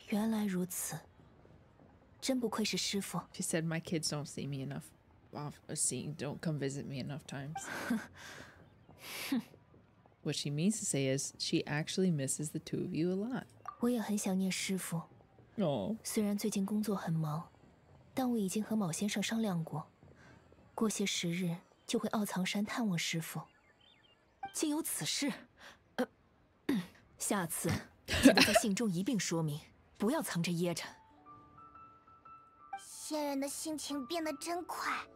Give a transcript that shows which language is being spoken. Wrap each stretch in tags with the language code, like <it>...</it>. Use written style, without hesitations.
<zh>如此甚好。看来你已经很好的融入了人类社会。本仙可以放心了。师父呢？一切可好？本仙好得很。就算你们都不回奥藏山，本仙一个人也能过得潇洒自在。哦。原来如此。真不愧是师父。</zh> <en>She said my kids don't see me enough. Off a scene, don't come visit me enough times. What she means to say is she actually misses the two of you a lot.</en> <zh>我也很想念师父。哦，虽然最近工作很忙，但我已经和某先生商量过，过些时日就会奥藏山探望师父。竟有此事，下次记得在信中一并说明，不要藏着掖着。仙人的心情变得真快。</zh>